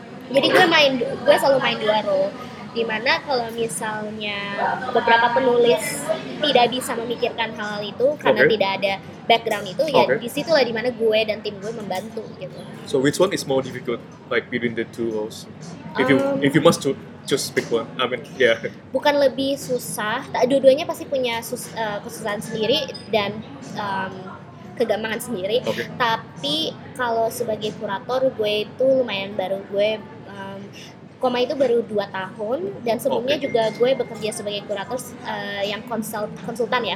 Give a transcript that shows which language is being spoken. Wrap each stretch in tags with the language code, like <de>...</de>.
<id>Jadi gue selalu main dua role. Dimana kalau misalnya beberapa penulis tidak bisa memikirkan hal itu karena tidak ada background itu, ya disitulah dimana gue dan tim gue membantu gitu.</id> <en>So which one is more difficult like between the two roles? If you must choose pick one, I mean yeah.</en> <id>Bukan lebih susah, dua-duanya pasti punya kesusahan sendiri dan kegampangan sendiri.</id> <en>Okay.</en> <id>Tapi kalau sebagai kurator gue itu lumayan baru, gue Koma itu baru 2 tahun dan sebelumnya juga gue bekerja sebagai kurator yang konsultan ya.</id>